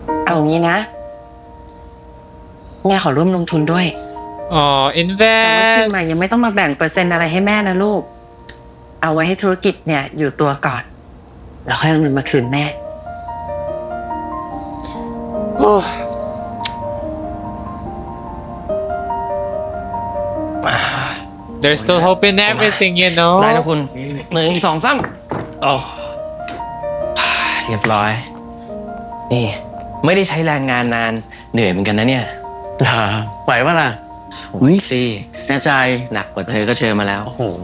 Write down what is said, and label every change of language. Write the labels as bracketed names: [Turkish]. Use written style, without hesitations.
[Thai] เอางี้นะแม่ขอร่วมลงทุนด้วย อ๋ออินเวสต์ ชิมใหม่ยังไม่ต้องมาแบ่งเปอร์เซ็นต์อะไรให้แม่นะลูกเอาไว้ให้ธุรกิจเนี่ยอยู่ตัวก่อนแล้วค่อยเอาเงินมาคืนแม่โ [English] อ้ There's still hope in everything you know [Thai] ได้นะคุณ1 2 3โอ้เรียบร้อยนี่ไม่ได้ใช้แรงงานนานเหนื่อยเหมือนกันนะเนี่ย หรอไหวป่ะล่ะ อุ้ยสิ แน่ใจ หนักกว่าเธอก็เชิญมาแล้ว โอ้โห